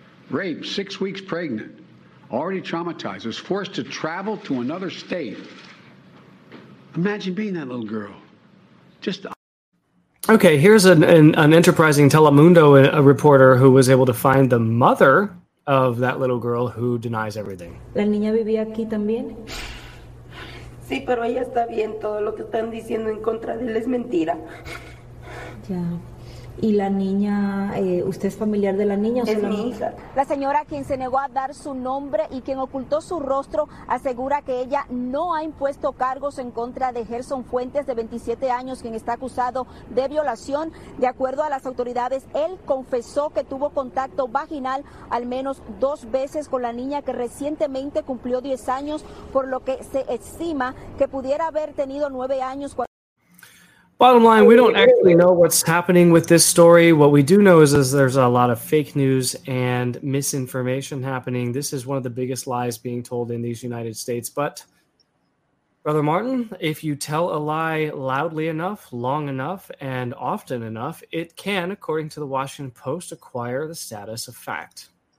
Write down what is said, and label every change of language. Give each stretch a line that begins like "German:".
English: Rape, 6 weeks pregnant. Already traumatized, was forced to travel to another state. Imagine being that little girl. Just okay. Here's an enterprising Telemundo a reporter who was able to find the mother of that little girl who denies everything.
Spanish: La niña vivía aquí también. Sí, pero ella está bien. Todo lo que están diciendo en contra de él es mentira.
English: Yeah,
Spanish: ¿Y la niña, usted es familiar de la niña? Es mi hija. La señora, quien se negó a dar su nombre y quien ocultó su rostro, asegura que ella no ha impuesto cargos en contra de Gerson Fuentes, de 27 años, quien está acusado de violación. De acuerdo a las autoridades, él confesó que tuvo contacto vaginal al menos dos veces con la niña, que recientemente cumplió 10 años, por lo que se estima que pudiera haber tenido 9 años cuando...
English: Bottom line, we don't actually know what's happening with this story. What we do know is there's a lot of fake news and misinformation happening. This is one of the biggest lies being told in these United States. But, Brother Martin, if you tell a lie loudly enough, long enough, and often enough, it can, according to the Washington Post, acquire the status of fact.